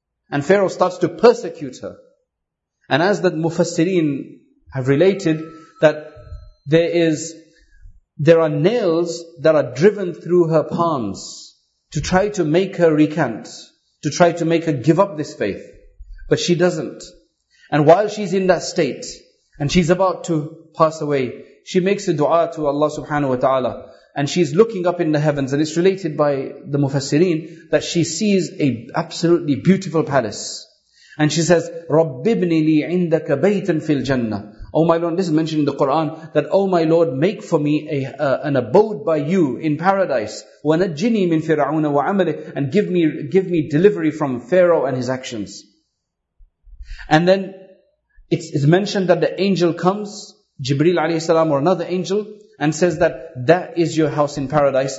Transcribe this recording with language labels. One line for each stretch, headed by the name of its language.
English: And Pharaoh starts to persecute her. And as the Mufassireen have related, that there are nails that are driven through her palms to try to make her recant, to try to make her give up this faith. But she doesn't. And while she's in that state, and she's about to pass away, she makes a dua to Allah subhanahu wa ta'ala. And she's looking up in the heavens, and it's related by the Mufassireen, that she sees a absolutely beautiful palace. And she says,
Arabic: رَبِّبْنِ لِي عِنْدَكَ بَيْتًا فِي الْجَنَّةِ.
English: Oh my Lord, this is mentioned in the Quran, that oh my Lord, make for me an abode by you in paradise.
Arabic: وَنَجِّنِي مِنْ فِرْعَوْنَ وَعَمَلِهِ.
English: And give me delivery from Pharaoh and his actions. And then it's mentioned that the angel comes, Jibreel alayhi salam or another angel, and says that is your house in paradise.